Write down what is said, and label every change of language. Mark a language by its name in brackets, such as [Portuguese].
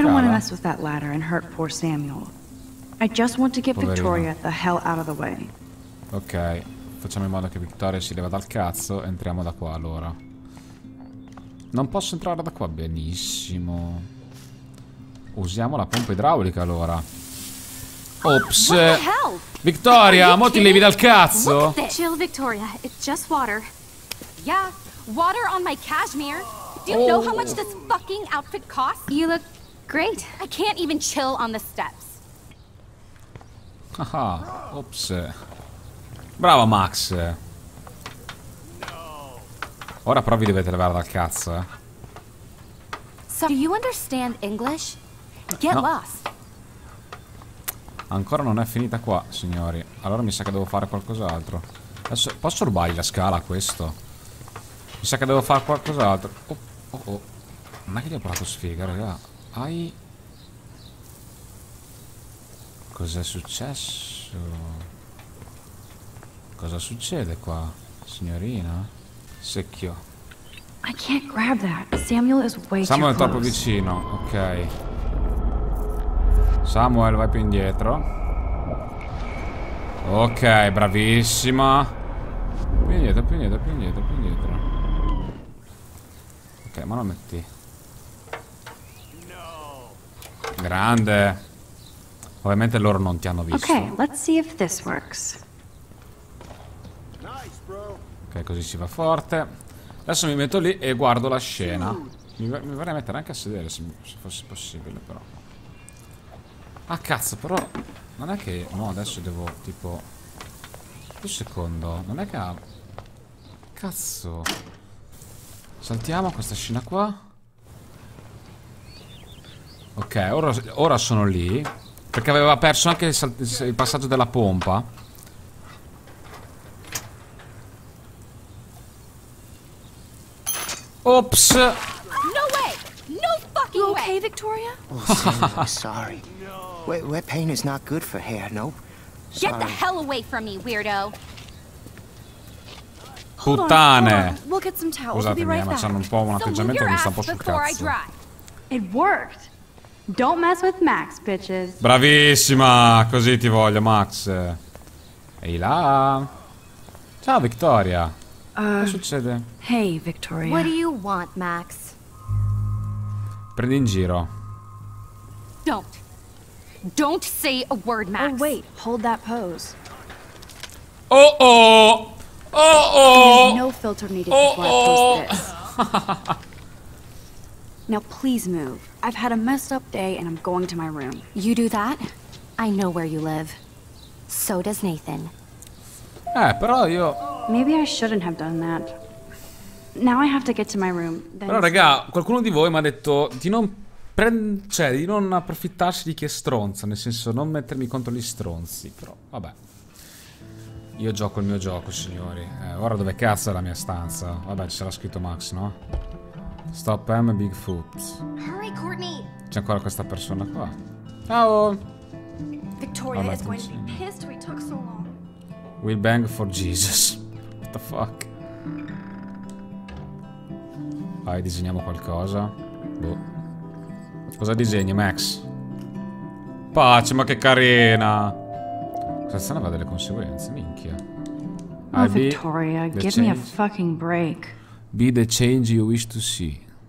[English] I don't want to mess with that ladder and hurt poor Samuel. I just want to get [Italian] poverino. [English] Victoria the hell out of the way. Ok. [Italian] Facciamo in modo che Victoria si leva dal cazzo. Entriamo da qua allora. Non posso entrare da qua, benissimo. Usiamo la pompa idraulica allora. Ops. Victoria, mo ti levi dal cazzo. [English] Chill, Victoria, it's just water. Yeah, water on my cashmere. Do you know how much this fucking outfit costs? You look great. I can't even chill on the steps. [Italian] Haha, ops. Bravo, Max. Ora però vi dovete levare dal cazzo, [English] So, do you understand English? Get lost. [Italian] Ancora non è finita qua, signori. Allora mi sa che devo fare qualcos'altro. Adesso, posso rubargli la scala, questo? Mi sa che devo fare qualcos'altro. Oh, oh, oh. Non è che gli ho parlato sfiga, raga. Hai... Cos'è successo? Cosa succede qua, signorina? Secchio. [English] I can't grab that. Samuel is way Samuel too [Italian] è troppo [English] close. [Italian] Vicino, ok. Samuel, vai più indietro. Ok, bravissima. Più indietro, più indietro, più indietro, più indietro. Ok, ma lo metti. No. Grande. Ovviamente loro non ti hanno visto. [English] Ok, let's see if this works. [Italian] Ok, così si va forte. Adesso mi metto lì e guardo la scena. Mi vorrei mettere anche a sedere se fosse possibile, però. Ah, cazzo, però non è che... No, adesso devo, tipo... Un secondo. Non è che ha... Cazzo. Saltiamo questa scena qua. Ok, ora sono lì. Perché aveva perso anche il passaggio della pompa. [English] Oops. No way. No fucking way. Okay, Victoria? Oh, Sam, I'm sorry. Wet paint is not good for hair, no. Sorry. Get the hell away from me, weirdo. [Italian] Puttane. [English] We'll get some towels. [Italian] Scusate, [English] we'll be right back. [Italian] Scusate, ma c'hanno un po' un atteggiamento che mi sta un po' sul cazzo. [English] It worked. Don't mess with Max, bitches. [Italian] Bravissima, così ti voglio, Max. Ehi là. Ciao, Victoria. Cosa succede? [English] Hey, Victoria. What do you want, Max? [Italian] Prendi in giro. [English] Don't say a word, Max. Oh, wait. Hold that pose. Oh, oh! Oh, oh! No filter needed before I post this. Now, please move. I've had a messed up day, and I'm going to my room. You do that? I know where you live. So does Nathan. [Italian] Però io... [English] Maybe I shouldn't have done that. Now I have to get to my room. Then... [Italian] Però raga, qualcuno di voi mi ha detto di non di non approfittarsi di chi è stronza, nel senso non mettermi contro gli stronzi, però vabbè. Io gioco il mio gioco, signori. Ora dove cazzo è la mia stanza? Vabbè, ce l'ha scritto Max, no? [English] Stop M Bigfoot. Hurry, Courtney. [Italian] C'è ancora questa persona qua. Ciao. [English] Victoria is going to be pissed we took so long. We'll bang for Jesus. What the fuck? [Italian] Vai, disegniamo qualcosa. Boh. Cosa disegni, Max? Pace, ma che carina! Questa scena va delle conseguenze, minchia. [English] Oh, Victoria, give me a fucking break. Be the change you wish to see.